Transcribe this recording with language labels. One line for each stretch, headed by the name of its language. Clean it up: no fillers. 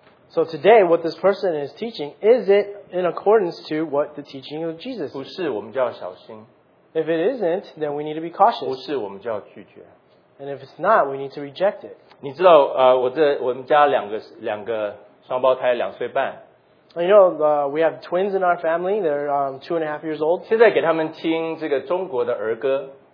English: So today, what this person is teaching, is it in accordance to what the teaching of Jesus is?
Chinese: 不是，我们就要小心。
English: If it isn't, then we need to be cautious.
Chinese: 不是，我们就要拒绝。
English: And if it's not, we need to reject it.
Chinese: 你知道, 我们家两个双胞胎两岁半。
English: You know, we have twins in our family. They're 2.5 years old.
Chinese: 现在给他们听这个中国的儿歌。